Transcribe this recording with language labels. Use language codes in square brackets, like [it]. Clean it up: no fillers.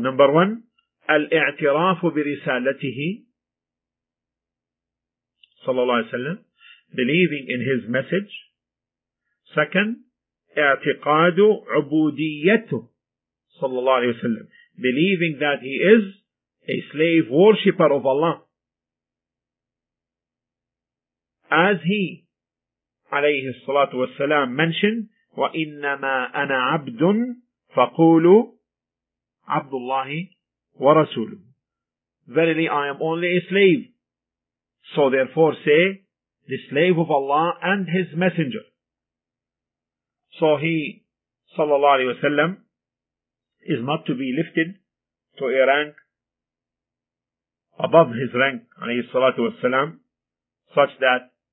[en] Number one, [ar] الاعتراف برسالته [en] sallallahu alayhi wa sallam, believing in his message. Second, [ar] اعتقاد عبوديته [en] sallallahu alayhi wa sallam, believing that he is a slave worshipper of Allah. As he [ar] عليه الصلاة والسلام [en] mentioned, [ar] وَإِنَّمَا أَنَا عَبْدٌ فَقُولُ عَبْدُ اللَّهِ وَرَسُولُ. [en] Verily, I am only a slave. So therefore say, the slave of Allah and his messenger. So he, [ar] صلى الله عليه وسلم, [en] is not to be lifted to a rank above his rank, [ar] عليه الصلاة والسلام, [en] such that